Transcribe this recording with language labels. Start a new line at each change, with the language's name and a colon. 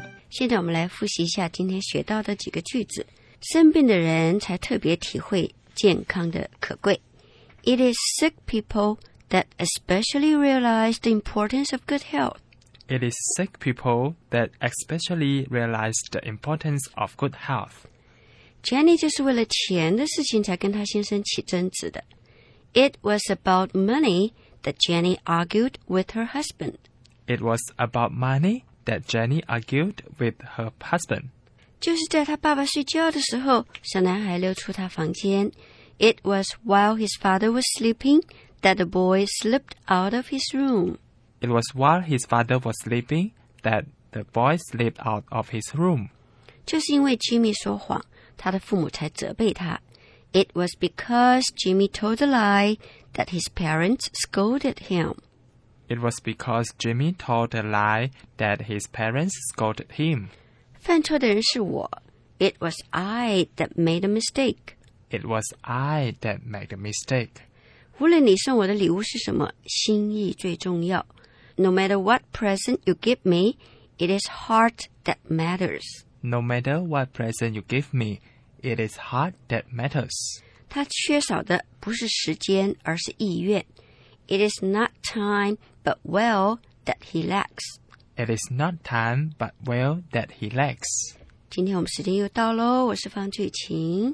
Chinese: 现在我们来复习一下今天学到的几个句子。生病的人才特别体会健康的可贵。
English: It is sick people that especially realize the importance of good health. It is sick people that especially realize the importance of good health.
Chinese: Jenny 就是为了钱的事情才跟她先生起争执的。
English: It was about money that Jenny argued with her husband. It was about money that Jenny argued with her husband.
Chinese: 就是在他爸爸睡觉的时候，小男孩溜出他房间。
English: It was while his father was sleeping that the boy slipped out of his room. It was while his father was sleeping that the boy slipped out of his room.
Chinese: 就是因为 Jimmy 说谎，他的父母才责备他。
English: It was because Jimmy told a lie that his parents scolded him. It was because Jimmy told a lie that his parents scolded him.
Chinese: 犯错的人是我。
English: It was I that made a mistake. It was I that made a mistake.
Chinese: 无论你送我的礼物是什么，心意最重要。
English: No matter what present you give me, it is heart that matters. No matter what present you give me,It is heart that matters.
Chinese: 他缺少的不是时间，而是意愿。
English: It is not time, but well that he lacks. It is not time, but well that he lacks.
Chinese: 今天我们时间又到咯，我是方翠琴。